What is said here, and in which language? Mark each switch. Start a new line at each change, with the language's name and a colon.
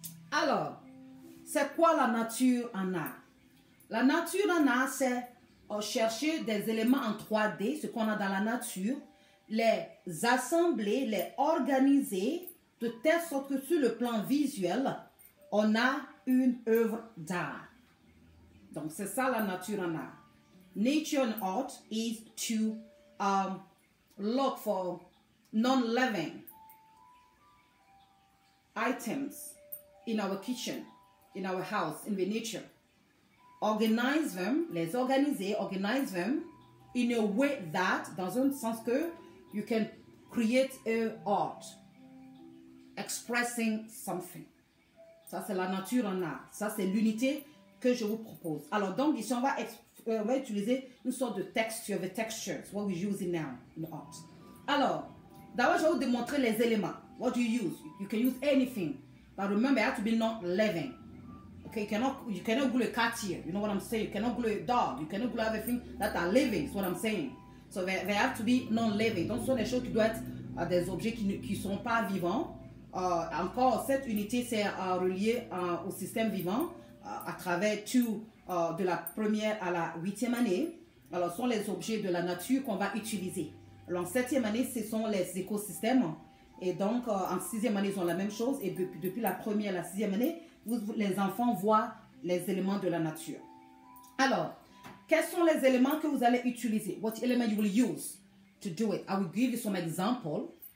French: Alors, c'est quoi la nature en art? La nature en art, c'est chercher des éléments en 3D, ce qu'on a dans la nature, les assembler, les organiser de telle sorte que sur le plan visuel, on a une œuvre d'art. Donc, c'est ça la nature en art.
English: Nature and art is to look for non-living items in our kitchen, in our house, in the nature. Organize them,
French: les organiser,
English: organize them in a way that,
French: dans un sens que,
English: you can create an art expressing something.
French: Ça, c'est la nature en art. Ça, c'est l'unité que je vous propose. Alors, donc, ici, on va utiliser une sorte de texture,
English: the texture. It's what we use in now, in art.
French: Alors, d'abord, je vais vous démontrer les éléments.
English: What do you use? You can use anything. But remember, it has to be not living. Okay, you cannot glue a cat here. You know what I'm saying? You cannot glue a dog. You cannot glue everything that are living. That's what I'm saying. So they have to be non-living.
French: Donc, ce sont des choses qui doivent être des objets qui ne sont pas vivants. Encore, cette unité, c'est relié au système vivant à travers tout de la première à la huitième année. Alors, ce sont les objets de la nature qu'on va utiliser. Alors, en septième année, ce sont les écosystèmes. Et donc, en sixième année, ils ont la même chose. Et depuis la première à la sixième année, les enfants voient les éléments de la nature. Alors, quels sont les éléments que vous allez utiliser?
English: What element you will use to do it? I will give you some example.